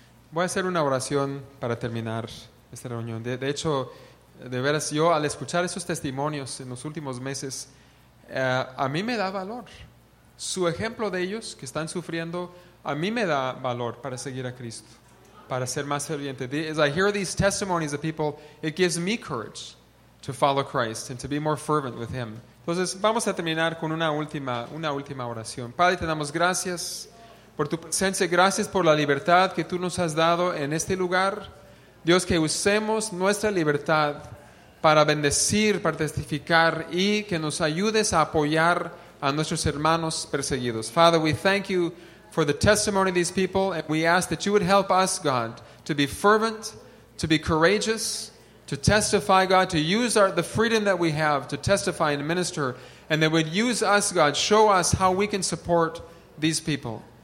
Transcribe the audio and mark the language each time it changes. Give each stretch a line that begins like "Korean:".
Spanish: Voy a hacer una oración para terminar esta reunión. De hecho, de veras, yo al escuchar esos testimonios en los últimos meses, a mí me da valor. Su ejemplo de ellos que están sufriendo, a mí me da valor para seguir a Cristo, para ser más ferviente.
English: As I hear these testimonies of people, it gives me courage to follow Christ and to be more fervent with Him.
Spanish: Entonces, vamos a terminar con una última oración. Padre, te damos gracias por tu presencia, gracias por la libertad que tú nos has dado en este lugar. Dios, que usemos nuestra libertad para bendecir, para testificar y que nos ayudes a apoyar a nuestros hermanos perseguidos.
English: Father, we thank you for the testimony of these people, and we ask that you would help us, God, to be fervent, to be courageous, to testify, God, to use the freedom that we have to testify and minister, and that would use us, God, show us how we can support these people.